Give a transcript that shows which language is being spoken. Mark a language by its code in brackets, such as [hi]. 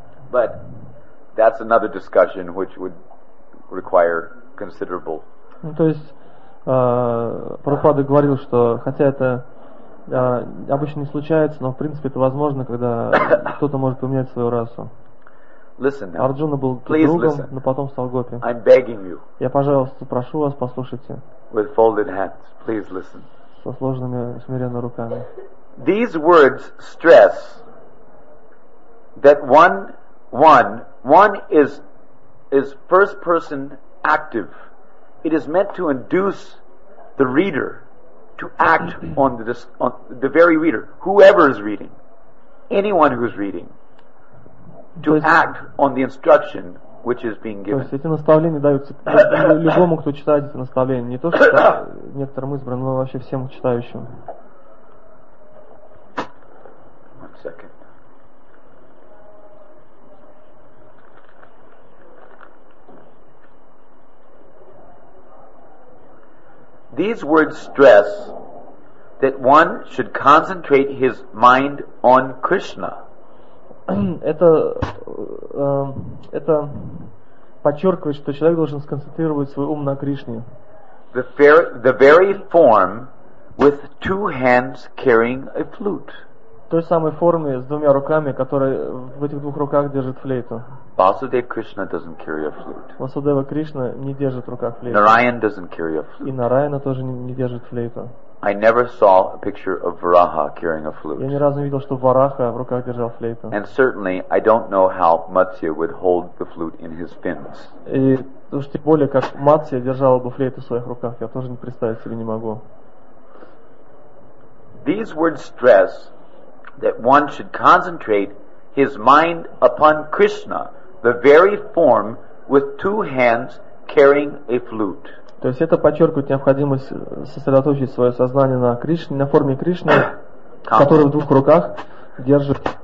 [en] But that's another discussion which would require considerable. [ru] Ну, то есть Прабхупада говорил, что хотя это обычно не случается, но в принципе это возможно, когда кто-то может поменять свою расу. [en] Listen now. [ru] Арджуна был [en] Please [ru] другом, [en] listen. [ru] Но потом стал гопи. [en] I'm begging you. [ru] Я, пожалуйста, прошу вас, послушайте. [en] With folded hands. Please listen. [ru] Со сложенными смиренно руками. [en] These words stress that one is first person active. It is meant to induce the reader to act on the very reader, whoever is reading. anyone who's reading to act on the instruction which is being given. [ru] То есть эти наставления даются любому, кто читает эти наставления, не то что некоторым избранным, но вообще всем читающим. [en] These words stress that one should concentrate his mind on Krishna. [ru] Это подчеркивает, что человек должен сконцентрировать свой ум на Кришне. [en] The very form with two hands carrying a flute. [ru] Той самой формы с двумя руками, которая в этих двух руках держит флейту. [en] Vasudeva Krishna doesn't carry a flute. [ru] Vasudeva Krishna не держит в руках флейту. [en] Narayan doesn't carry a flute. [ru] И Нараяна тоже не держит флейту. [en] I never saw a picture of Varaha carrying a flute. [ru] Я ни разу не видел, что Вараха в руках держал флейту. [en] And certainly I don't know how Matsya would hold the flute in his fins. [ru] И уж тем более, как Матсья держала бы флейту в своих руках, я тоже не представить себе не могу. [en] These words stress that one should concentrate his mind upon Krishna, the very form with two hands carrying a flute. [ru] То есть это подчеркивает необходимость сосредоточить свое сознание на Кришне, на форме Кришны, который в двух руках держит.